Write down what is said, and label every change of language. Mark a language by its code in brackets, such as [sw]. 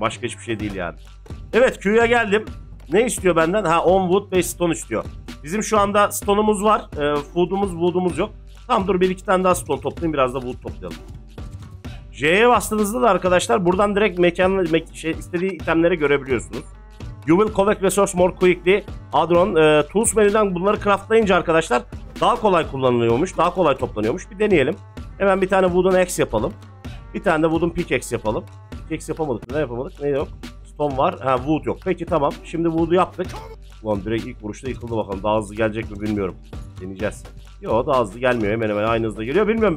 [tr] Başka hiçbir şey değil yani. Evet köye geldim. Ne istiyor benden? Ha 10 wood 5 stone istiyor. Bizim şu anda stone'umuz var. Food'umuz yok. Tamam dur bir iki tane daha stone toplayayım. Biraz da wood toplayalım. J'ye bastığınızda da arkadaşlar buradan direkt istediği itemleri görebiliyorsunuz. [en] You will collect resource more quickly. [tr] Adron tools menüden bunları craftlayınca arkadaşlar daha kolay kullanılıyormuş. Daha kolay toplanıyormuş. Bir deneyelim. Hemen bir tane wooden axe yapalım. Bir tane de wooden pickaxe yapalım. Pickaxe yapamadık. Ne yapamadık? Ne yok? Stone var. Ha wood yok. Peki tamam. Şimdi wood'u yaptık. Ulan direkt ilk vuruşta yıkıldı bakalım. Daha hızlı gelecek mi bilmiyorum. Deneyeceğiz. Yo daha hızlı gelmiyor. Hemen hemen aynı hızda geliyor. Bilmiyorum.